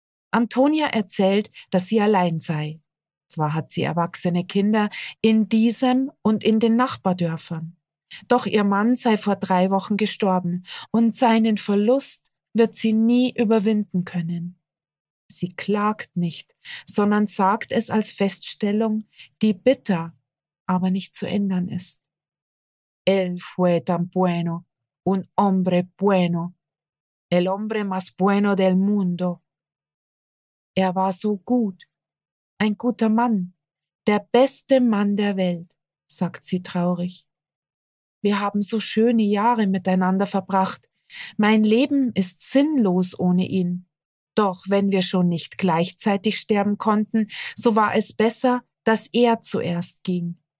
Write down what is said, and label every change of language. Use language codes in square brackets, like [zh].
[de] Antonia erzählt, dass sie allein sei. Zwar hat sie erwachsene Kinder in diesem und in den Nachbardörfern. Doch ihr Mann sei vor 3 Wochen gestorben und seinen Verlust wird sie nie überwinden können. Sie klagt nicht, sondern sagt es als Feststellung, die bitter, aber nicht zu ändern ist. [es] Él fue tan bueno, un hombre bueno, el hombre más bueno del mundo. [de] Er war so gut, ein guter Mann, der beste Mann der Welt, sagt sie traurig. Wir haben so schöne Jahre miteinander verbracht. Mein Leben ist sinnlos ohne ihn. Doch wenn wir schon nicht gleichzeitig sterben konnten, so war es besser, dass er zuerst ging.